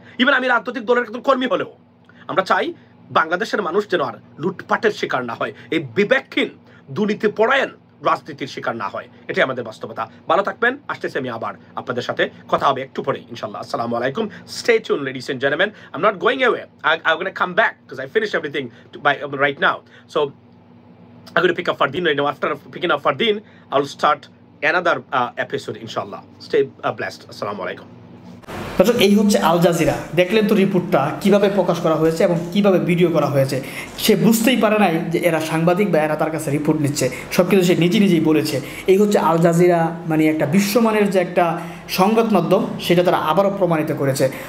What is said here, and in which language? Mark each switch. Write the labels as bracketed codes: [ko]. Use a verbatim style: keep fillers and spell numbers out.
[bn] Even আমি রাজনৈতিক দলের একজন কর্মী হলেও আমরা চাই বাংলাদেশের মানুষ যেন আর লুটপাটের শিকার না হয়, এই বিবেকহীন দুর্নীতি পরায়ণ রাজনীতির শিকার না হয়, এটাই আমাদের বাস্তবতা। ভালো থাকবেন, আসতেছি আমি আবার আপনাদের সাথে, কথা হবে একটু পরে ইনশাল্লাহ। [ar] আসসালামু আলাইকুম। [en] Stay tuned, ladies and gentlemen. I'm not going away. I, I'm going to come back because I finished everything to, by, um, right now. So I'm going to pick up Fardeen right now. After picking up Fardeen, I'll start another uh, episode inshallah. Stay uh, blessed. [ar] Assalamu alaikum. [bn] দর্শক, এই হচ্ছে Al Jazeera. দেখলেন তো রিপোর্টটা কীভাবে প্রকাশ করা হয়েছে এবং কীভাবে ভিডিও করা হয়েছে। সে বুঝতেই পারে নাই যে এরা সাংবাদিক বা এরা তার কাছে রিপোর্ট নিচ্ছে, সব কিছু সে নিজে নিজেই বলেছে। এই হচ্ছে আল জাজিরা, মানে একটা বিশ্বমানের যে একটা সংবাদ মাধ্যম, সেটা তারা আবারও প্রমাণিত করেছে।